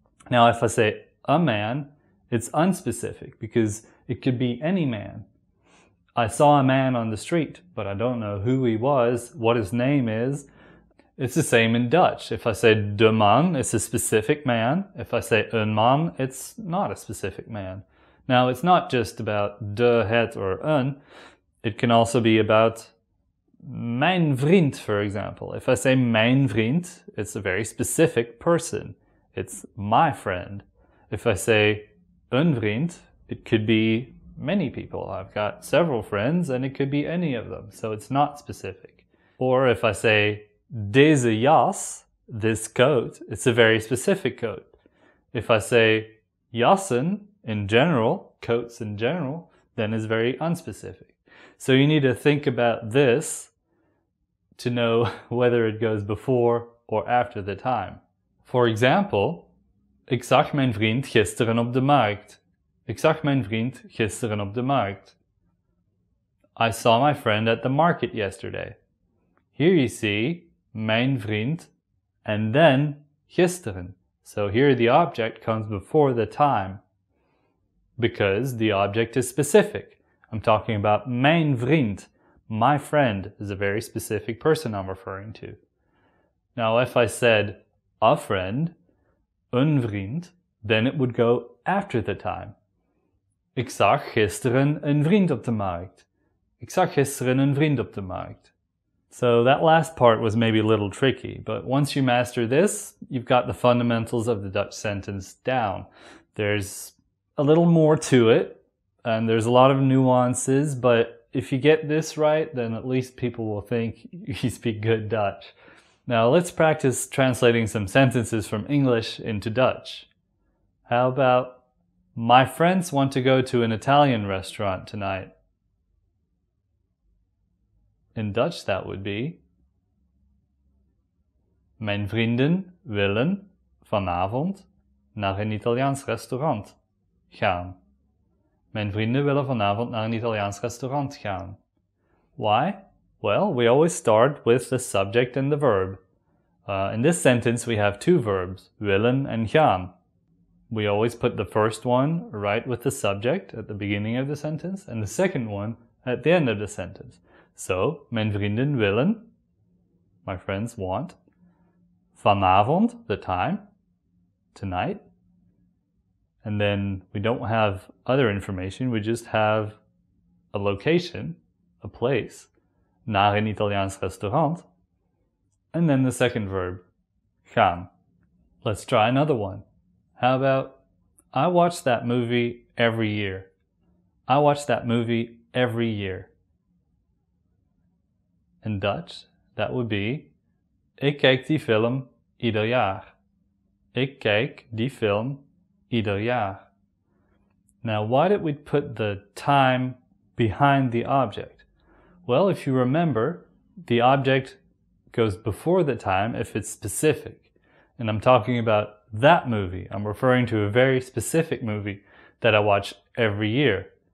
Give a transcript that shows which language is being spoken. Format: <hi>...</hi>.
<en>Now, if I say a man, it's unspecific because it could be any man. I saw a man on the street, but I don't know who he was, what his name is. It's the same in Dutch. If I say</en> <nl>de man,</nl> <en>it's a specific man. If I say</en> <nl>een man,</nl> <en>it's not a specific man. Now, it's not just about</en> <nl>de het</nl> <en>or een. It can also be about</en> <nl>mijn vriend,</nl> <en>for example. If I say</en> <nl>mijn vriend,</nl> <en>it's a very specific person. It's my friend. If I say</en> <nl>een vriend,</nl> <en>it could be many people. I've got several friends and it could be any of them, so it's not specific. Or if I say</en> <nl>deze jas,</nl> <en>this coat, it's a very specific coat. If I say jassen in general, coats in general, then it's very unspecific. So you need to think about this to know whether it goes before or after the time. For example,</en> <nl>ik zag mijn vriend gisteren op de markt. Ik zag mijn vriend gisteren op de markt.</nl> <en>I saw my friend at the market yesterday. Here you see</en> <nl>mijn vriend</nl> <en>and then gisteren. So here the object comes before the time because the object is specific. I'm talking about</en> <nl>mijn vriend.</nl> <en>My friend is a very specific person I'm referring to. Now if I said a friend,</en> <nl>een vriend,</nl> <en>then it would go after the time.</en> <nl>Ik zag gisteren een vriend op de markt. Ik zag gisteren een vriend op de markt.</nl> <en>So that last part was maybe a little tricky, but once you master this, you've got the fundamentals of the Dutch sentence down. There's a little more to it, and there's a lot of nuances, but if you get this right, then at least people will think you speak good Dutch. Now let's practice translating some sentences from English into Dutch. How about, my friends want to go to an Italian restaurant tonight. In Dutch, that would be,</en> <nl>mijn vrienden willen vanavond naar een Italiaans restaurant gaan. Mijn vrienden willen vanavond naar een Italiaans restaurant gaan.</nl> <en>Why? Well, we always start with the subject and the verb. In this sentence, we have two verbs, willen and gaan. We always put the first one right with the subject at the beginning of the sentence and the second one at the end of the sentence. So,</en> <nl>mijn vrienden willen,</nl> <en>my friends want, vanavond, the time, tonight. And then we don't have other information, we just have a location, a place,</en> <nl>naar een Italiaans restaurant,</nl> <en>and then the second verb, gaan. Let's try another one. How about, I watch that movie every year. I watch that movie every year. In Dutch, that would be</en> <nl>Ik kijk die film ieder jaar. Ik kijk die film ieder jaar.</nl> <en>Now, why did we put the time behind the object? Well, if you remember, the object goes before the time if it's specific. And I'm talking about that movie. I'm referring to a very specific movie that I watch every year.</en>